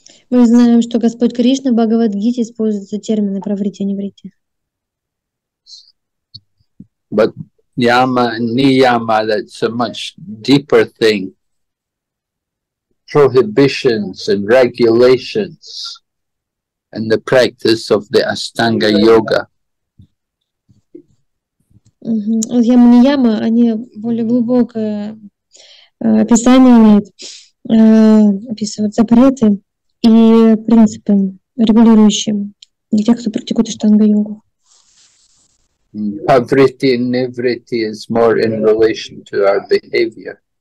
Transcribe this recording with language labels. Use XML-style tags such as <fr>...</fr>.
<ru>Мы знаем, что Господь Кришна в Бхагавад Гите использует термины Праврити и Ниврити.</ru> <en>But Yama and Niyama, that's a much deeper thing. Prohibitions and regulations and the practice of the Ashtanga Yoga.</en> <ru>Яма и Нияма, они более глубокое описание имеют, описывают запреты и принципы, регулирующие для тех, кто практикует Ashtanga Yoga.</ru> <en>Pavriti and Nivriti is more in relation to our behavior.</en>